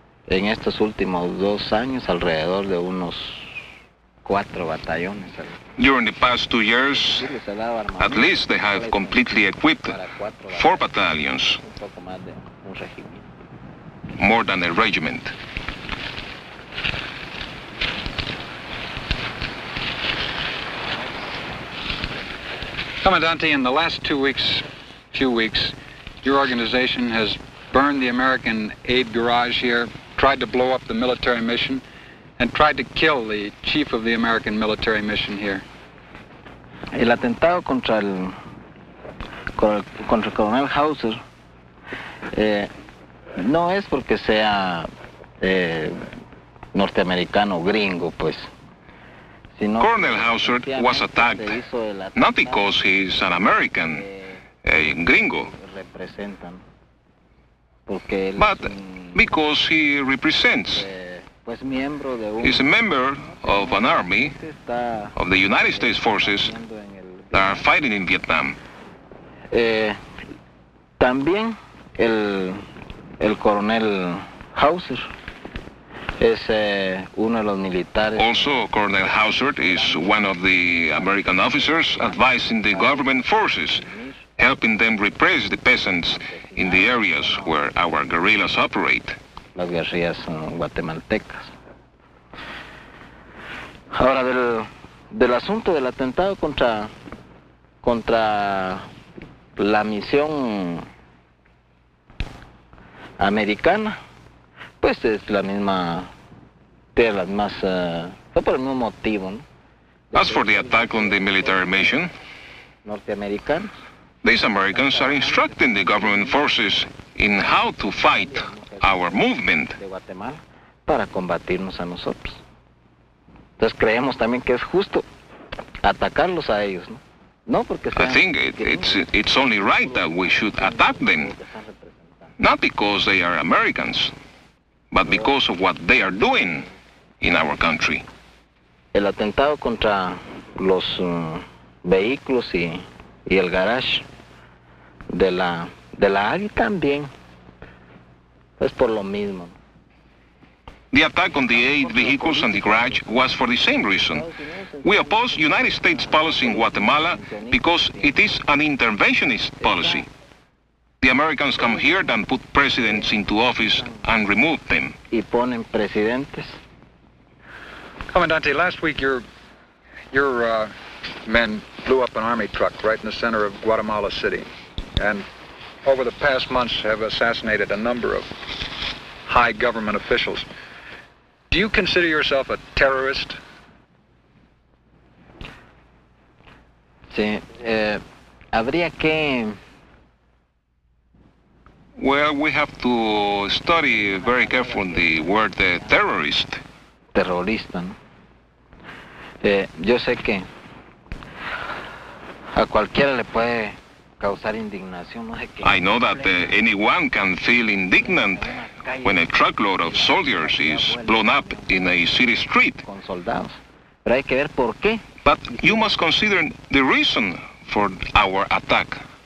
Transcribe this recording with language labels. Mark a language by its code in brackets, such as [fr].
[es] En estos últimos dos años, alrededor de unos cuatro batallones. [en] During the past 2 years, at least they have completely equipped four battalions, more than a regiment. Comandante, in the last few weeks, your organization has burned the American aid garage here, tried to blow up the military mission, and tried to kill the chief of the American military mission here. [es] El atentado contra el contra Coronel Hauser no es porque sea norteamericano gringo, pues. Sino [en] Colonel Hauser was attacked not because he's an American, gringo. [es] Representan. [en] But because he represents, he's a member of an army of the United States forces that are fighting in Vietnam. [es] También el coronel Hauser es uno de los militares. [en] Also, Colonel Hauser is one of the American officers advising the government forces helping them repress the peasants in the areas where our guerrillas operate. [es] Las guerrillas son guatemaltecas. Ahora del asunto del atentado contra la misión americana, pues es la misma, tiene las más, fue por el mismo motivo, ¿no? [en] As for the attack on the military mission, these Americans are instructing the government forces in how to fight our movement. [es] Para combatirnos a nosotros. Entonces creemos también que es justo atacarlos a ellos, ¿no? No porque [en] I think it's only right that we should attack them, not because they are Americans, but because of what they are doing in our country. [es] El atentado contra los vehículos y el garage de la AGI también es por lo mismo. [en] The attack on the eight vehicles and the garage was for the same reason. We oppose United States policy in Guatemala because it is an interventionist policy. The Americans come here and put presidents into office and remove them. [es] Y ponen presidentes. [en] Comandante, last week your men blew up an army truck right in the center of Guatemala City, and over the past months have assassinated a number of high government officials. Do you consider yourself a terrorist? [es] Sí, habría que... [en] Well, we have to study very carefully the word terrorist. [es] Terrorista, ¿no? Yo sé que a cualquiera le puede causar indignación, no sé qué. [en] I know that anyone can feel indignant when a truckload of soldiers is blown up in a city street. [es] Con soldados. Pero hay que ver por qué. [en] But you must consider the reason for our attack.